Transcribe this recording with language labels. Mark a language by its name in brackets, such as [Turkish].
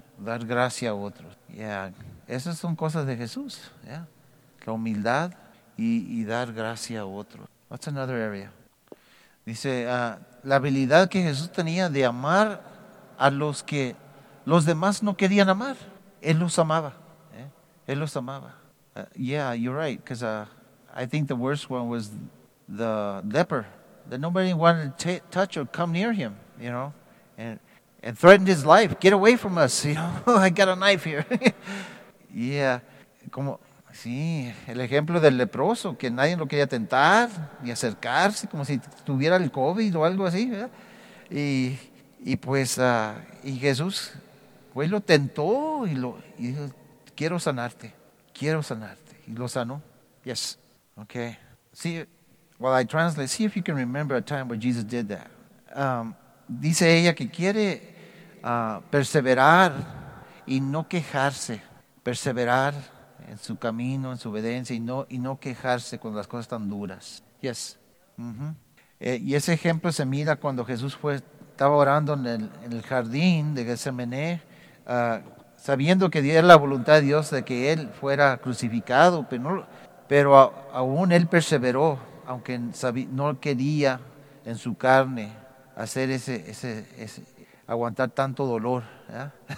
[Spanish] Dar gracia a otros. Yeah. Esas son cosas de Jesús. Yeah. La humildad y dar gracia a otros. [English] What's another area? [Spanish] Dice, la habilidad que Jesús tenía de amar a los que los demás no querían amar. Él los amaba. ¿Eh? Él los amaba. [English] Yeah, you're right. Because I think the worst one was the leper. That nobody wanted to touch or come near him, you know. And threatened his life. Get away from us, you know. I got a knife here. Yeah. [Spanish] Como, sí, el ejemplo del leproso, que nadie lo quería tentar ni acercarse, como si tuviera el COVID o algo así, ¿verdad? Y pues, y Jesús, después lo tentó y dijo, quiero sanarte, quiero sanarte. Y lo sanó. [English] Yes. Okay. See, while I translate, see if you can remember a time where Jesus did that. [Spanish] Dice ella que quiere perseverar y no quejarse. Perseverar en su camino, en su obediencia y no quejarse cuando las cosas están duras. [English] Yes. Mm-hmm. [Spanish] Y ese ejemplo se mira cuando Jesús estaba orando en el jardín de Getsemaní, sabiendo que era la voluntad de Dios de que él fuera crucificado, pero aún él perseveró, aunque no quería en su carne hacer ese aguantar tanto dolor, ¿eh?